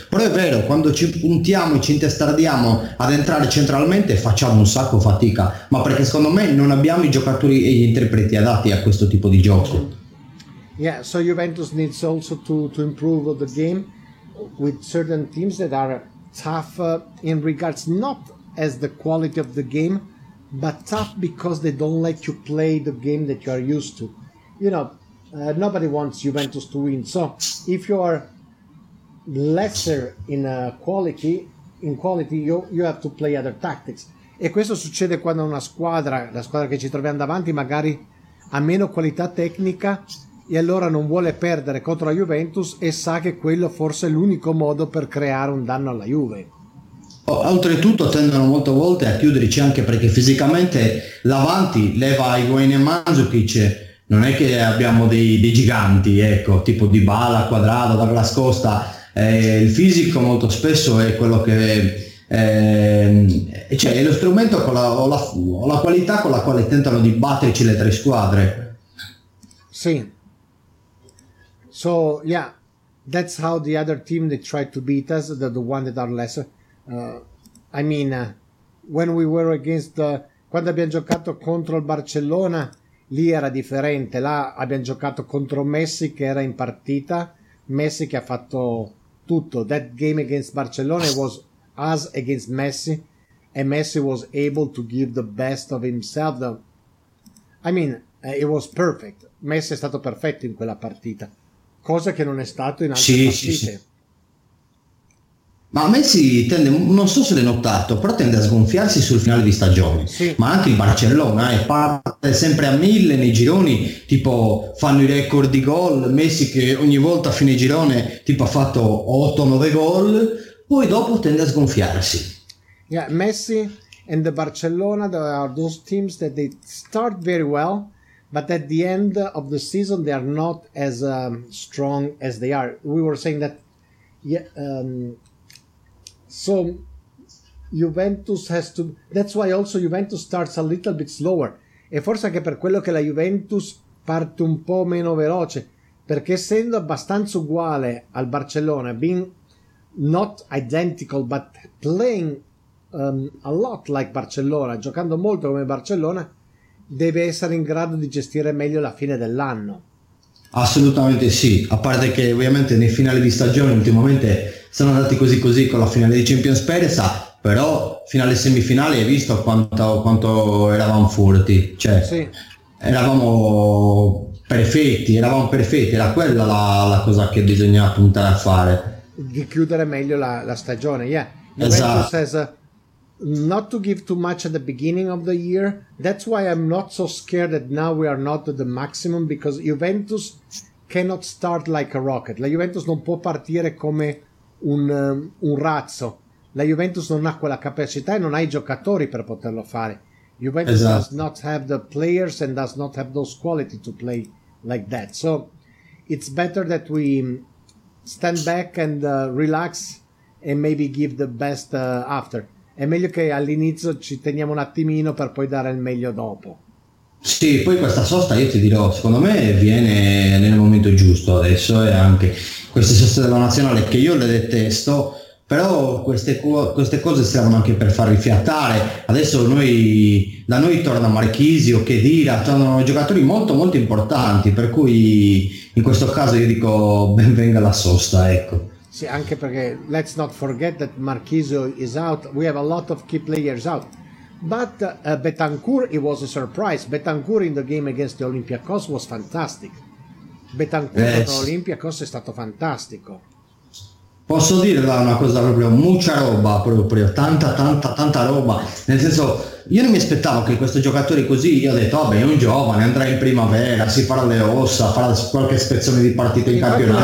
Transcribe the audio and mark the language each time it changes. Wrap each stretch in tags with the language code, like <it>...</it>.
<it>Però è vero, quando ci puntiamo e ci intestardiamo ad entrare centralmente facciamo un sacco fatica, ma perché secondo me non abbiamo i giocatori e gli interpreti adatti a questo tipo di gioco.</it> <en>Yeah, so Juventus needs also to improve the game with certain teams that are tough in regards not as the quality of the game, but tough because they don't let you play the game that you are used to. You know, nobody wants Juventus to win. So if you are lesser in quality, you have to play other tactics.</en> <it>E questo succede quando una squadra, la squadra che ci troviamo davanti, magari ha meno qualità tecnica, e allora non vuole perdere contro la Juventus e sa che quello forse è l'unico modo per creare un danno alla Juve. Oltretutto tendono molte volte a chiuderci, anche perché fisicamente l'avanti leva Higuain e Mandzukic, non è che abbiamo dei giganti, ecco, tipo Dybala, Cuadrado, Douglas Costa. Il fisico molto spesso è quello che cioè è lo strumento con la qualità con la quale tentano di batterci le tre squadre. Sì.</it> <en>So yeah, that's how the other team they tried to beat us, the one that are lesser. When we were against</en> <it>quando abbiamo giocato contro il Barcellona, lì era differente. Là abbiamo giocato contro Messi che era in partita. Messi che ha fatto tutto.</it> <en>That game against Barcellona was us against Messi, and Messi was able to give the best of himself. It was perfect.</en> <it>Messi è stato perfetto in quella partita. Cosa che non è stato in altre partite. Sì, sì. Ma Messi tende, non so se l'hai notato, però tende a sgonfiarsi sul finale di stagione. Sì. Ma anche il Barcellona parte sempre a mille nei gironi, tipo fanno i record di gol, Messi che ogni volta a fine girone tipo ha fatto 8-9 gol, poi dopo tende a sgonfiarsi.</it> <en>Yeah, Messi and the Barcellona are those teams that they start very well, but at the end of the season, they are not as strong as they are. We were saying that, so Juventus has to, that's why also Juventus starts a little bit slower.</en> <it>E forse anche per quello che la Juventus parte un po' meno veloce, perché essendo abbastanza uguale al Barcellona,</it> <en>being not identical, but playing a lot like Barcellona,</en> <it>giocando molto come Barcellona, deve essere in grado di gestire meglio la fine dell'anno. Assolutamente sì, a parte che ovviamente nei finali di stagione ultimamente sono andati così così con la finale di Champions Perez, però finale semifinale hai visto quanto eravamo furti, cioè sì, eravamo perfetti, era quella la cosa che bisogna puntare a fare, di chiudere meglio la stagione. Yeah, esatto.</it> <en>Juventus says not to give too much at the beginning of the year, that's why I'm not so scared that now we are not at the maximum, because Juventus cannot start like a rocket.</en> <it>La Juventus non può partire come un razzo. La Juventus non ha quella capacità e non ha i giocatori per poterlo fare.</it> <en>Juventus, esatto, does not have the players and does not have those quality to play like that. So it's better that we stand back and relax and maybe give the best after.</en> <it>È meglio che all'inizio ci teniamo un attimino per poi dare il meglio dopo. Sì, poi questa sosta, io ti dirò, secondo me viene nel momento giusto adesso, e anche queste soste della nazionale che io le detesto, però queste cose servono anche per far rifiatare. Adesso da noi torna Marchisio, Khedira, tornano giocatori molto molto importanti, per cui in questo caso io dico ben venga la sosta, ecco. Sì, anche perché</it> <en>let's not forget that Marchisio is out, we have a lot of key players out, but Betancourt, it was a surprise. Betancourt in the game against the Olympiacos was fantastic.</en> <it>Betancourt contro Olympiacos è stato fantastico. Posso dire una cosa, proprio mucha roba, proprio tanta roba, nel senso, io non mi aspettavo che questo giocatore così, io ho detto vabbè, è un giovane, andrà in primavera, si farà le ossa, farà qualche spezzone di partita in campionato,</it>